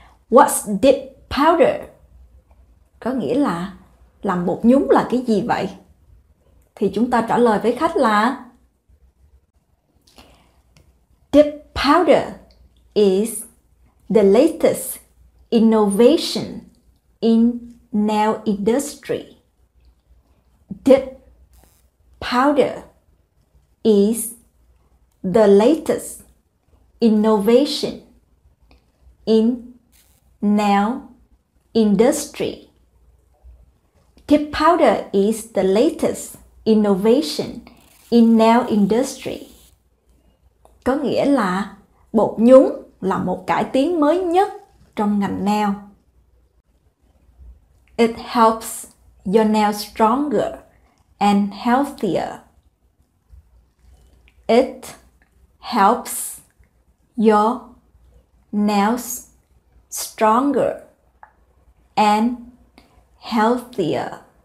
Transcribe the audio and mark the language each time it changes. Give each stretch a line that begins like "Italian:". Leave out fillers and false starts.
English: What's dip powder?
Vietnamese: Có nghĩa là làm bột nhúng là cái gì vậy? Thì chúng ta trả lời với khách là
English: dip powder is the latest innovation in nail industry. Dip powder is the latest innovation in nail industry. Dip powder is the latest innovation in nail industry.
Vietnamese: Có nghĩa là bột nhúng là một cải tiến mới nhất trong ngành nail.
English: It helps your nail stronger and healthier. It helps your nails stronger and healthier.